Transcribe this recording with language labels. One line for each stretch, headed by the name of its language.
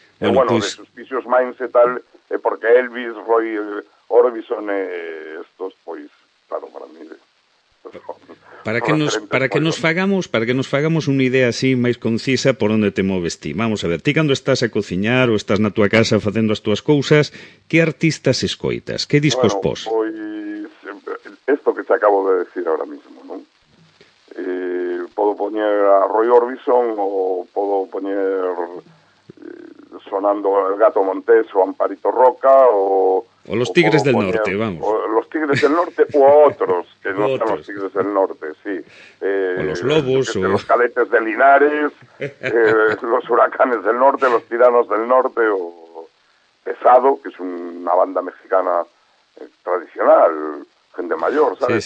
Spanish: Bueno, pues... de Suspicious Minds
Galician: e tal, é porque
Spanish: Elvis, Roy Orbison, estos, pois, claro, para mí...
Galician: Para que nos fagamos unha idea así máis concisa por onde te moves ti. Vamos a ver, ti cando estás a cociñar ou estás na tua casa facendo as túas cousas, que artistas escoitas? Que discos, bueno, pos?
Spanish: Pois, esto que te acabo de decir ahora mismo, non?
Galician: Podo poñer a Roy Orbison ou podo poñer sonando el Gato Montés ou Amparito Roca ou...
Spanish: O los Tigres del Norte, vamos. O los Tigres del Norte o a otros que no están los Tigres del Norte, sí. O los Lobos. O los Cadetes de Linares, los Huracanes del Norte, los Tiranos del Norte, o Pesado, que es una banda mexicana tradicional, gente mayor, ¿sabes?